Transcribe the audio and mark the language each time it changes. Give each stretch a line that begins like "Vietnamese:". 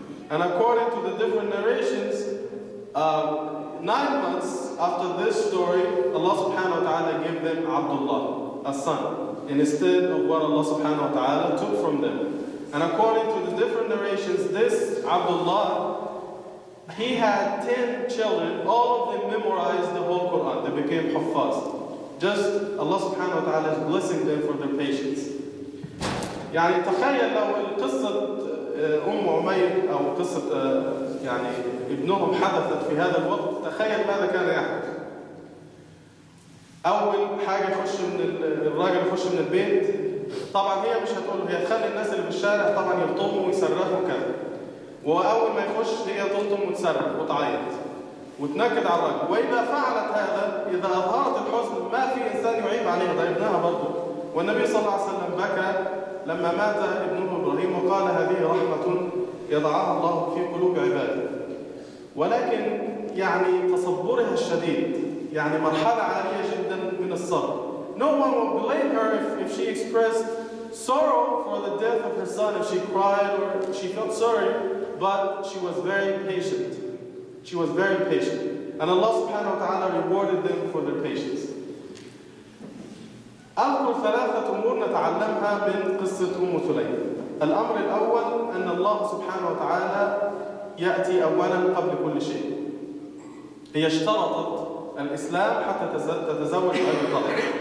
English: And according to the different narrations, 9 months after this story, Allah subhanahu wa ta'ala gave them Abdullah, a son, instead of what Allah subhanahu wa ta'ala took from them. And according to the different narrations, this Abdullah, he had 10 children, all of them memorized the whole Quran, they became Hafaz. Just Allah subhanahu wa ta'ala is blessing them for their patience.
Arabic: يعني تخيل لو قصة أم عمير أو قصة يعني ابنهم حدثت في هذا الوقت تخيل ماذا كان يحدث. أول حاجة يخش من الراجل يخش من البيت طبعا هي مش هتقوله هي تخلي الناس اللي بالشارع طبعا يلطموا ويصرخوا كذا. وأول ما يخش هي تلطم وتصرخ وتعيط وتنكد على الرجل. وإذا فعلت هذا إذا أظهرت الحزن ما في إنسان يعيب عليها ده ابنها برضه. والنبي صلى الله عليه وسلم بكى لما مات ابنه إبراهيم وقال هذه رحمة يضعها الله في قلوب عباده. ولكن يعني تصبرها الشديد يعني مرحلة عالية جدا من الصبر.
English: No one will blame her if she expressed sorrow for the death of her son, if she cried or she felt sorry, but she was very patient. She was very patient. And Allah subhanahu wa ta'ala rewarded them for their patience.
Arabic: أذكر ثلاثة أمور نتعلمها من قصة أم سليم. الأمر الأول أن الله سبحانه وتعالى يأتي أولا قبل كل شيء. هي اشترطت الإسلام حتى تتزوج أبي طالب.